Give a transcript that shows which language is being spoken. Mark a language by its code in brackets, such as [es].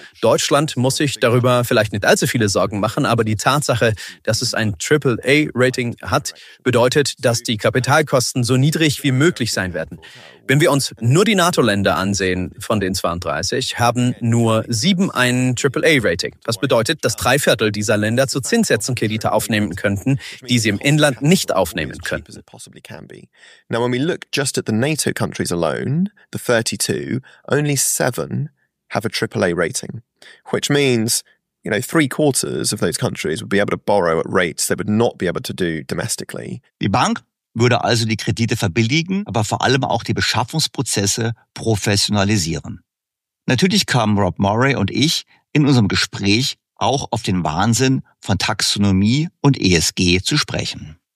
[de] Deutschland muss sich darüber vielleicht nicht allzu viele Sorgen machen, aber die Tatsache, dass es ein AAA-Rating hat, bedeutet, dass die Kapitalkosten so niedrig wie möglich sein werden. Wenn wir uns nur die NATO-Länder ansehen von den 32, haben nur 7 ein AAA-Rating. Das bedeutet, dass 3/4 dieser Länder zu Zinssätzen Kredite aufnehmen könnten, die sie im Inland nicht aufnehmen können. [en] Now, when we look just at the NATO countries alone, the 32, only 7 have a AAA-Rating, which means, you know, 3/4 of those countries would be able to borrow at rates they would not be able to do domestically. [de] Die Bank würde also die Kredite verbilligen, aber vor allem auch die Beschaffungsprozesse professionalisieren. Natürlich kamen Rob Murray und ich in unserem Gespräch auch auf den Wahnsinn von Taxonomie und ESG zu sprechen.